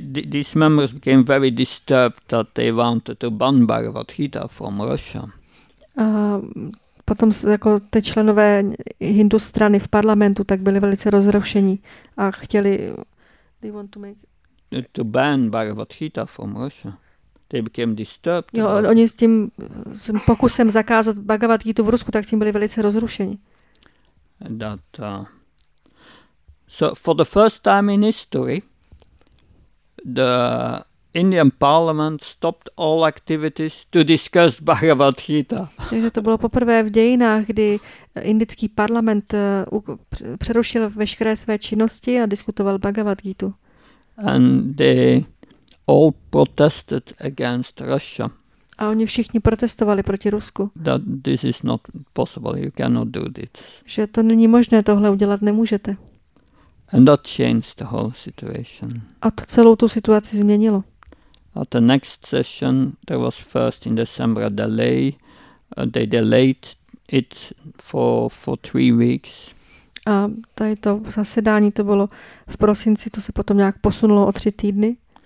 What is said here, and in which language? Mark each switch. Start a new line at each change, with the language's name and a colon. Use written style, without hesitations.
English: These members became very disturbed that they wanted to ban Bhagavad Gita from Russia.
Czech: Potom jako ty členové hindu strany v parlamentu tak byli velice rozrušení a chtěli
English: to ban Bhagavad Gita from Russia. They became disturbed.
Czech: Jo, oni s tím pokusem zakázat Bhagavad Gita v Rusku, tak tím byli velice rozrušení.
English: So for the first time in history, the Indian Parliament stopped all activities to discuss Bhagavad Gita.
Czech: Takže to bylo poprvé v dějinách, kdy indický parlament přerušil veškeré své činnosti a diskutoval Bhagavad Gitu.
English: And they all protested against Russia.
Czech: A oni všichni protestovali proti Rusku.
English: That this is not possible. You cannot do this.
Czech: Že to není možné, tohle udělat nemůžete.
English: And that changed the whole situation.
Czech: A to celou tu situaci změnilo.
English: At the next session, there was first in December a delay. They delayed it for 3 weeks.
Czech: A tady to zasedání to bylo v prosinci, to se potom nějak posunulo o 3 týdny.